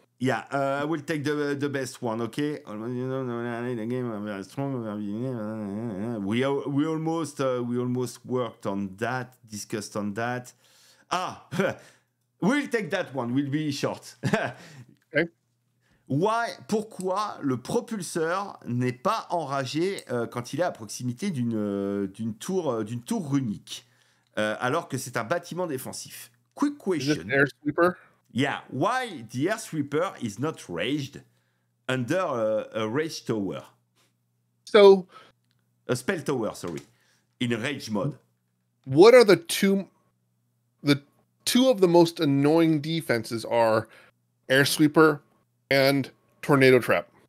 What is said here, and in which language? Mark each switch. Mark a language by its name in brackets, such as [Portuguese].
[English] Yeah, I will take the best one, okay? We almost worked on that, discussed on that. Ah, we'll take that one, we'll be short. [French] Why, pourquoi le propulseur n'est pas enragé quand il est à proximité d'une tour runique alors que c'est un bâtiment défensif? [English] Quick question. Is it air sweeper? Yeah, why the air sweeper is not raged under a rage tower? So, a spell tower, sorry, in rage mode. What are the two of the most annoying defenses are air sweeper and tornado trap?